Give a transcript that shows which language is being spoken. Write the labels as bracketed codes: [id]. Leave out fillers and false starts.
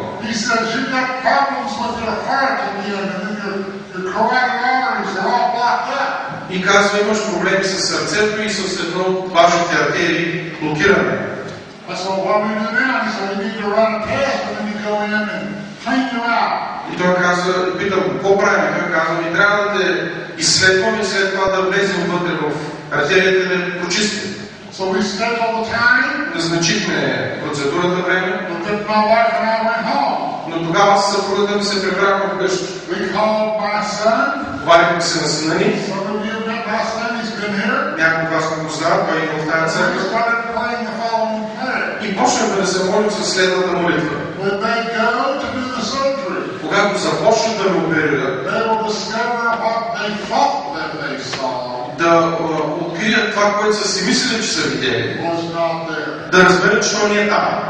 [en] He says you've got problems with your heart and your carotid arteries are all blocked up. [bg] И казва, имаш проблеми с сърцето и със едно от вашите артерии блокирани. [en] I said, what do you do now? He said, you need to run a test and then you go in and clean you out. [bg] И той казва, питам, какво правим? И той казва, ми трябва да те изследваме и след това да влезем вътре в артерията да прочистим. [en] So we spent all the time. [bg] Назначихме процедурата време. [en] But then my wife and I went home. [bg] Но тогава се съпругата ми се прибрахме вкъщи. [en] We called my son. [bg] Вайкам се на сина ни. [en] Some of you have met my son, he's been here. [bg] Някой от вас го познава, той има в тази църква. [en] We started praying the following prayer. [bg] И почнахме да се молим със следната молитва. [en] When they go to do the surgery. [bg] Когато започнат да ме оперират. [en] They will discover what they thought that they saw. [bg] Да открият това, което са си мислили, че са видели. Да разберат, че той не е там.